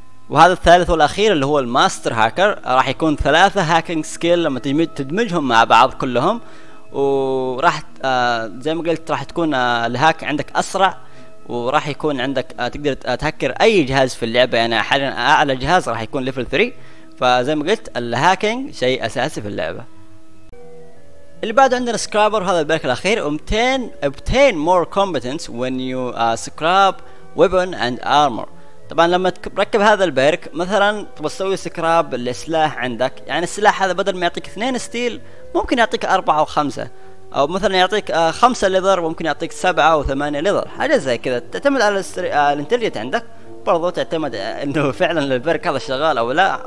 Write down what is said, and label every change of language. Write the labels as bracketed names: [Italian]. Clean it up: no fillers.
[Arabic] وهذا الثالث والأخير اللي هو الماستر هاكر، راح يكون ثلاثة هاكينج سكيل لما تدمجهم مع بعض كلهم، وراح زي ما قلت راح تكون الهاك عندك أسرع، وراح يكون عندك تقدر تهكر أي جهاز في اللعبة. أنا حاليا أعلى جهاز راح يكون ليفل 3، فزي ما قلت الهاكينج شيء أساسي في اللعبة. اللي بعد عندنا سكرابر، هذا البرك الأخير. [English] obtain more competence when you scrap weapon and armor. [Arabic] طبعا لما تركب هذا البرك مثلا تبغى تسوي سكراب للسلاح عندك، يعني السلاح هذا بدل ما يعطيك 2 ستيل ممكن يعطيك 4 أو 5، أو مثلا يعطيك 5 ليذر ممكن يعطيك 7 أو 8 ليذر، حاجة زي كذا. تعتمد على الانتليجنت عندك برضو، تعتمد انه فعلا البرك هذا شغال او لا.